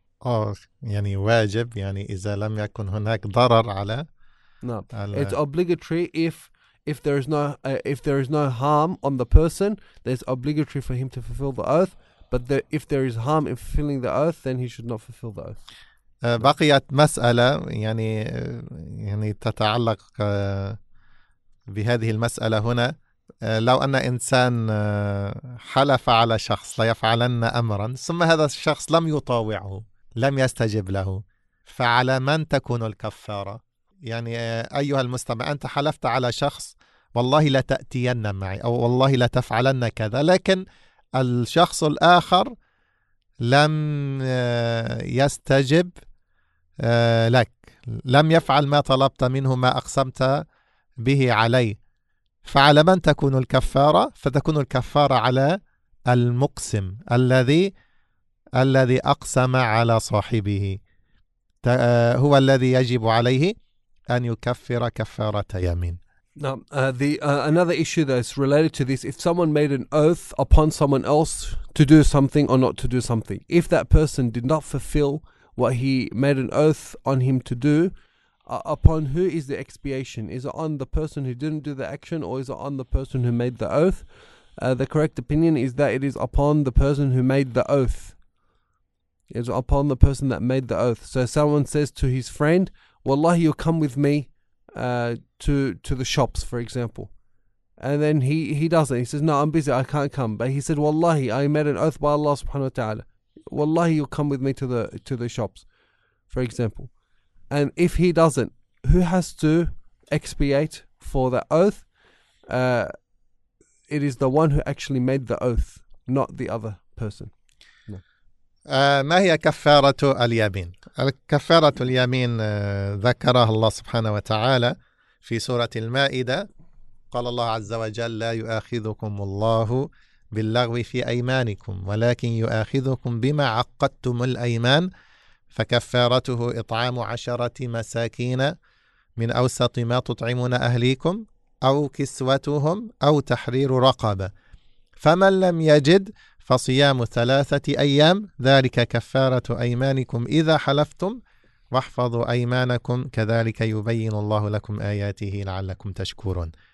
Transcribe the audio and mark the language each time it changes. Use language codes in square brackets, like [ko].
[ar] Oh, يعني واجب يعني إذا لم يكن هناك ضرر على. [en] No, it's obligatory if there is no harm on the person, then it's obligatory for him to fulfill the oath. But if there is harm in fulfilling the oath, then he should not fulfill the oath. [ar] بقيت مسألة يعني تتعلق بهذه المسألة هنا. لو أن إنسان حلف على شخص ليفعلن أمرا ثم هذا الشخص لم يطاوعه لم يستجب له، فعلى من تكون الكفارة؟ يعني أيها المستمع، أنت حلفت على شخص والله لا تأتين معي أو والله لا تفعلن كذا، لكن الشخص الآخر لم يستجب لك، لم يفعل ما طلبت منه ما أقسمت به عليه، فعلى من تكون الكفارة؟ فتكون الكفارة على المقسم الذي أقسم على صاحبه، هو الذي يجب عليه أن يكفر كفارة يمين. [en] Now, another issue that is related to this, if someone made an oath upon someone else to do something or not to do something, if that person did not fulfill what he made an oath on him to do, upon who is the expiation? Is it on the person who didn't do the action or is it on the person who made the oath? The correct opinion is that it is upon the person who made the oath. It's upon the person that made the oath. So someone says to his friend, Wallahi, you'll come with me to the shops, for example. And then he doesn't. He says, no, I'm busy, I can't come. But he said, Wallahi, I made an oath by Allah subhanahu wa ta'ala. Wallahi, you'll come with me to the shops, for example. And if he doesn't, who has to expiate for that oath? It is the one who actually made the oath, not the other person. No. [ar] ما هي كفارة اليمين؟ الكفارة اليمين ذكرها الله سبحانه وتعالى في سورة المائدة. قال الله عز وجل لا يؤاخذكم الله باللغو في أيمانكم ولكن يؤاخذكم بما عقدتم الأيمان، فكفارته إطعام 10 مساكين من أوسط ما تطعمون أهليكم أو كسوتهم أو تحرير رقبة، فمن لم يجد فصيام 3 أيام ذلك كفارة أيمانكم إذا حلفتم واحفظوا أيمانكم كذلك يبين الله لكم آياته لعلكم تشكرون.